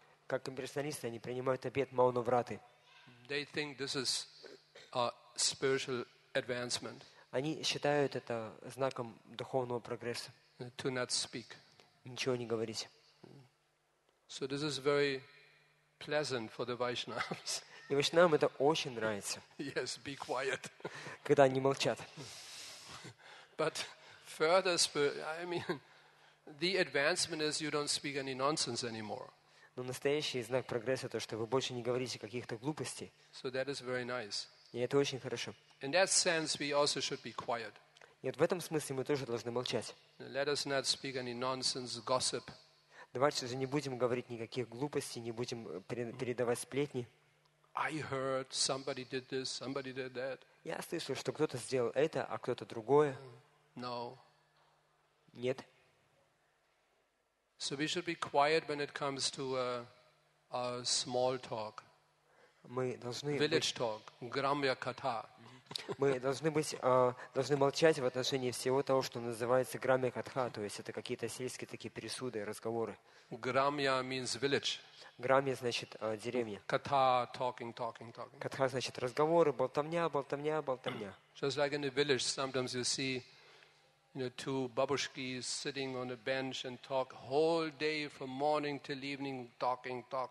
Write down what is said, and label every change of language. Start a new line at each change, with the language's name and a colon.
Russian: Как имперсоналисты, они принимают обет Маунавраты.
English: They think this is a spiritual advancement.
Russian: Они считают это знаком духовного прогресса.
English: To not speak.
Russian: Ничего не говорить.
English: So this is very pleasant for the Vaishnavas.
Russian: И Вайшнавам это очень нравится.
English: Yes, be quiet.
Russian: Когда они молчат.
English: But further, I mean, the advancement is you don't speak any nonsense anymore.
Russian: Но настоящий знак прогресса то, что вы больше не говорите каких-то глупостей.
English: So that is very nice.
Russian: И это очень хорошо.
English: In that sense, we also should be quiet.
Russian: И вот в этом смысле мы тоже должны молчать.
English: Let us not speak any nonsense, gossip.
Russian: Давайте же не будем говорить никаких глупостей, не будем передавать сплетни.
English: I heard somebody did this, somebody did that.
Russian: Я слышал, что кто-то сделал это, а кто-то другое.
English: No.
Russian: Нет.
English: So we should be quiet when it comes to a small talk.
Russian: Мы должны
English: village talk, грамья ката.
Russian: Мы должны молчать в отношении всего того, что называется грамья катха, то есть это какие-то сельские такие пересуды, разговоры.
English: Грамья means village.
Russian: Грамья значит деревня.
English: Ката talking.
Russian: Катха значит разговоры, болтовня.
English: Just like in the village, sometimes you see. You know, two babushkis sitting on a bench and talk whole day from morning till evening, talking.